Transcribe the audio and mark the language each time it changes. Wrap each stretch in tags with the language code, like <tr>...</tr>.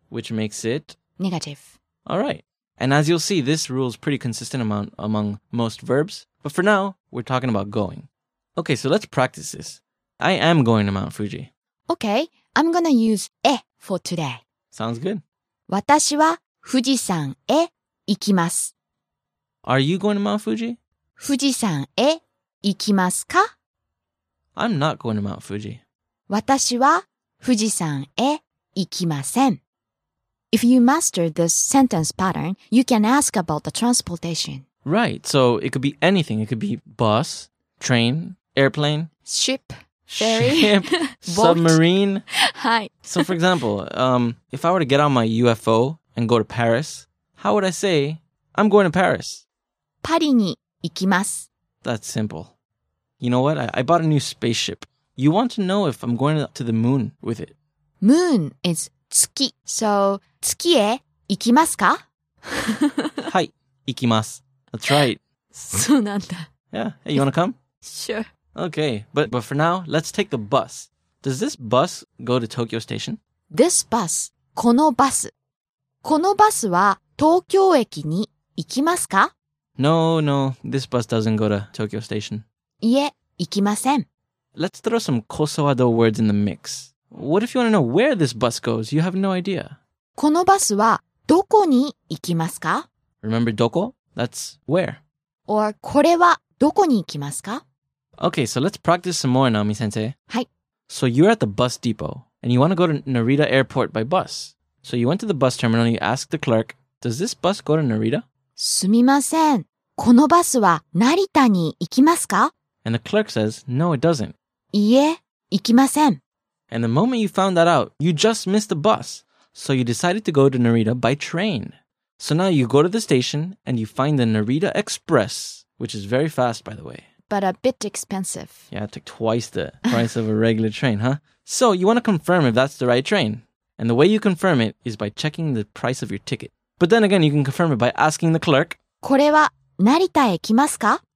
<en>Which makes it? Negative. All right. And as you'll see, this rule is pretty consistent among most verbs. But for now, we're talking about going. Okay, so let's practice this. I am going to Mount Fuji. Okay, I'm going to use え for today. Sounds good.</en> <ja>私は富士山へ行きます.</ja> <en>Are you going to Mount Fuji?</en> <ja>富士山へ行きますか?</ja> <en>I'm not going to Mount Fuji.</en> <ja>私は富士山へ行きません.</ja> <en>If you master this sentence pattern, you can ask about the transportation. Right, so it could be anything. It could be bus, train, airplane. Ship, ferry, ship, submarine. Hi. So for example, if I were to get on my UFO and go to Paris, how would I say, I'm going to Paris?</en> <ja>パリに行きます.</ja> <en>That's simple. You know what? I bought a new spaceship. You want to know if I'm going to the moon with it. Moon is 月.So,</en> <ja>月へ行きますか? はい、行きます.</ja> <en>That's right.</en> <ja>そうなんだ.</ja> <en>Yeah. Hey, you want to come? Sure. Okay. But for now, let's take the bus. Does this bus go to Tokyo Station? This bus.</en> <ja>このバス. このバスは東京駅に行きますか?</ja> <en>No, no. This bus doesn't go to Tokyo Station.</en> <ja>いえ、行きません.</ja> <en>let's throw some Kosawado words in the mix. What if you want to know where this bus goes? You have no idea.</en> <ja>このバスはどこに行きますか?</ja> <en>Remember doko? That's where. Or</en> <ja>これはどこに行きますか?</ja> <en>Okay, so let's practice some more, Naomi-sensei.</en> <ja>はい。</ja> <en>So you're at the bus depot, and you want to go to Narita Airport by bus. So you went to the bus terminal, and you asked the clerk, does this bus go to Narita?</en> <ja>すみません。このバスは成田に行きますか?</ja> <en>And the clerk says, no, it doesn't.</en> <ja>いいえ、行きません。</ja> <en>And the moment you found that out, you just missed the bus. So you decided to go to Narita by train. So now you go to the station and you find the Narita Express, which is very fast, by the way. But a bit expensive. Yeah, it took twice the price of a regular train, huh? So you want to confirm if that's the right train. And the way you confirm it is by checking the price of your ticket. But then again, you can confirm it by asking the clerk,</en> <ja>これは成田へ来ますか?</ja>